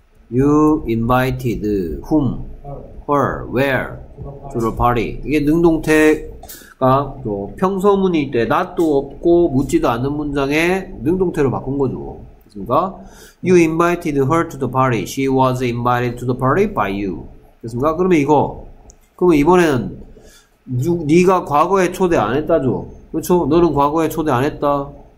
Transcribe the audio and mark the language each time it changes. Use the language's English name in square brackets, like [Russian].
[English] You invited whom? Her? Where? To the party. [Korean] 이게 능동태 아, 또 평소문일 때 not도 없고 묻지도 않는 문장에 능동태로 바꾼 거죠. 됐습니까? [English] You invited her to the party. She was invited to the party by you. [Korean] 됐습니까? 그러면 이거 그러면 이번에는 네가 과거에 초대 안 했다죠. 그렇죠? 너는 과거에 초대 안 했다.